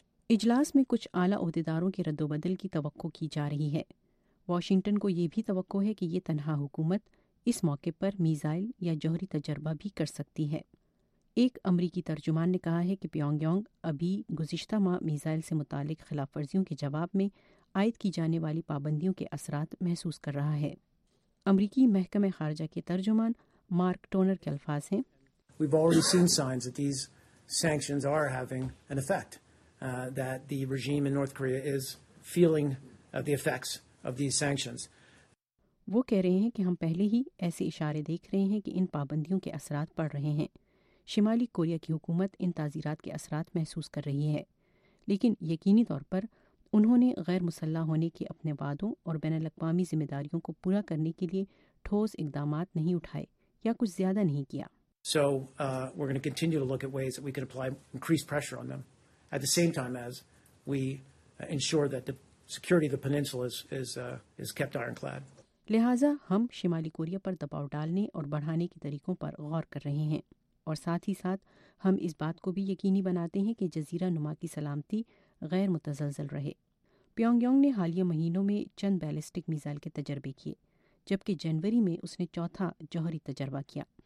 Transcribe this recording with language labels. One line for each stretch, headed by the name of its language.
Urdu: اجلاس میں کچھ اعلیٰ عہدیداروں کے رد و بدل کی توقع کی جا رہی ہے۔ واشنگٹن کو یہ بھی توقع ہے کہ یہ تنہا حکومت اس موقع پر میزائل یا جوہری تجربہ بھی کر سکتی ہے۔ ایک امریکی ترجمان نے کہا ہے کہ پیونگ یانگ ابھی گزشتہ ماہ میزائل سے متعلق خلاف ورزیوں کے جواب میں عائد کی جانے والی پابندیوں کے اثرات محسوس کر رہا ہے۔ امریکی محکمہ خارجہ کے ترجمان مارک ٹونر کے الفاظ ہیں،
English: We've already seen signs that these sanctions are having an effect, that the regime in North Korea is feeling the effects of these sanctions.
Urdu: وہ کہہ رہے ہیں کہ ہم پہلے ہی ایسے اشارے دیکھ رہے ہیں کہ ان پابندیوں کے اثرات پڑ رہے ہیں۔ شمالی کوریا کی حکومت ان تعزیرات کے اثرات محسوس کر رہی ہے، لیکن یقینی طور پر انہوں نے غیر مسلح ہونے کے اپنے وعدوں اور بین الاقوامی ذمہ داریوں کو پورا کرنے کے لیے ٹھوس اقدامات نہیں اٹھائے یا کچھ زیادہ نہیں کیا۔
English: So, we're going to continue to look at ways that we can apply increased pressure on them at the same time as we ensure that the security of the peninsula is kept ironclad.
Urdu: لہٰذا ہم شمالی Korea پر دباؤ ڈالنے اور بڑھانے کے طریقوں پر غور کر رہے ہیں، اور ساتھ ہی ساتھ ہم اس بات کو بھی یقینی بناتے ہیں کہ جزیرہ نما کی سلامتی غیر متزلزل رہے۔ پیونگ یانگ نے حالیہ مہینوں میں چند بیلسٹک میزائل کے تجربے کیے، جبکہ جنوری میں اس نے چوتھا جوہری تجربہ کیا۔